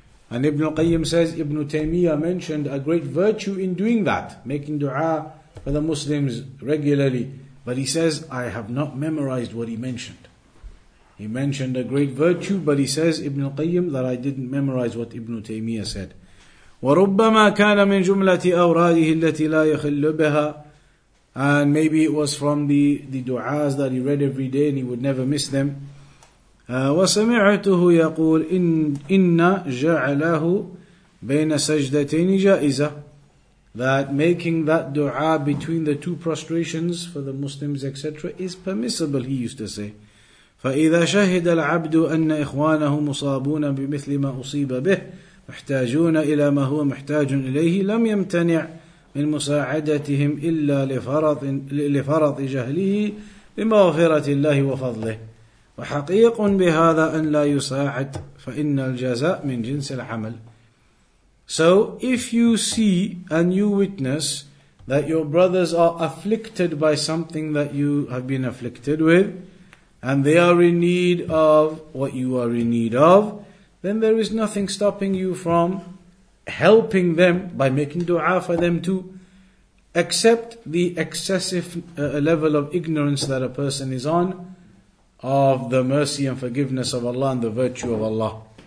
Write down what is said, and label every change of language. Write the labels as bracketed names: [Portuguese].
[English] And Ibn Qayyim says, Ibn Taymiyyah mentioned a great virtue in doing that, making dua for the Muslims regularly. But he says, I have not memorized what he mentioned. He mentioned a great virtue, but he says, Ibn Qayyim, that I didn't memorize what Ibn Taymiyyah said. [Arabic] وربما كان من جملة أوراده التي لا يخل بها. [English] And maybe it was from the du'as that he read every day and he would never miss them. [Arabic] وسمعته يقول إن جعله بين سجدتين جائزة. [English] That making that du'a between the two prostrations for the Muslims etc. is permissible, he used to say. [Arabic] فإذا شهد العبد أن إخوانه مصابون بمثل ما أصيب به محتاجون إلى ما هو محتاج إليه لم يمتنع من مساعدتهم إلا لفرط جهله بمغفرة الله وفضله وحقيق بهذا أن لا يساعد فإن الجزاء من جنس العمل. [English] So if you see and you witness that your brothers are afflicted by something that you have been afflicted with, and they are in need of what you are in need of, then there is nothing stopping you from helping them by making dua for them too, except the excessive level of ignorance that a person is on of the mercy and forgiveness of Allah and the virtue of Allah.